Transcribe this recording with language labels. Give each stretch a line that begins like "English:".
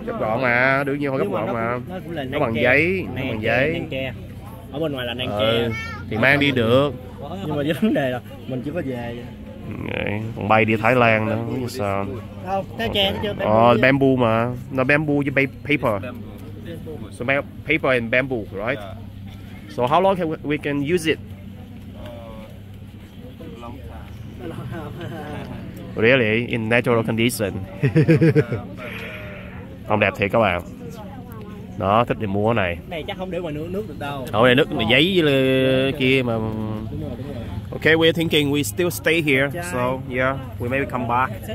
Vietnamese: Gấp gọn mà, đương nhiên phải gấp gọn mà. Nó bằng giấy, bằng giấy. Ở bên ngoài là nan tre. Thì mang đi được. Nhưng mà vấn đề là mình chưa có về. Còn bay đi Thái Lan nữa, không sao. Không, okay. Tre chưa? Bamboo mà. Nó bamboo với paper.
English: So paper and bamboo, right? So how long can we can use it? Long time. Really? In natural condition.
Vietnamese: Không đẹp thiệt các bạn. Đó, thích thì mua cái này. Này chắc không để ngoài nước được đâu. Không, này nước mà giấy kia mà.
English: Okay, we're thinking we still stay here, so yeah, we maybe come back.